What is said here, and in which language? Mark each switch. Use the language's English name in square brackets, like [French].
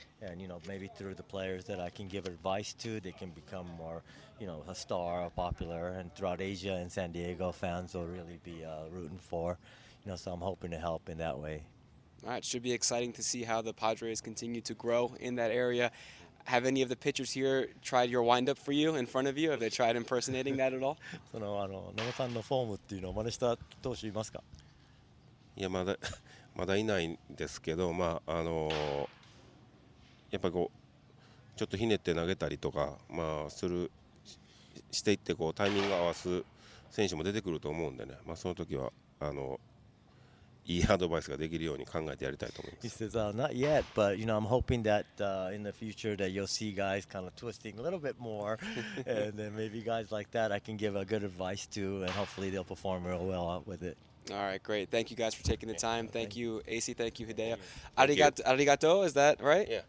[English] And, you know, maybe through the players that I can give advice to, they can become more, you know, a star, a popular, and throughout Asia and San Diego, fans will really be rooting for, you know, so I'm hoping to help in that way. All right, should be exciting to see how the Padres continue to grow in that area. Have any of the pitchers here tried your windup for you in front of you? Have they tried impersonating that at all? [Japanese] その野茂さんのフォームっていうのを真似した投手いますか？いや、まだいないんですけど、まあやっぱりこうちょっとひねって投げたりとか、まあするしていってこうタイミング合わす選手も出てくると思うんでね。まあその時はいいアドバイスができるように考えてやりたいと思います。 [English] He says, not yet, but you know, I'm hoping that in the future that you'll see guys kind of twisting a little bit more, and then maybe guys like that I can give a good advice to, and hopefully they'll perform real well with it. All right, great. Thank you guys for taking the time. Thank you, AC. Thank you, Hideo. Arigato, is that right?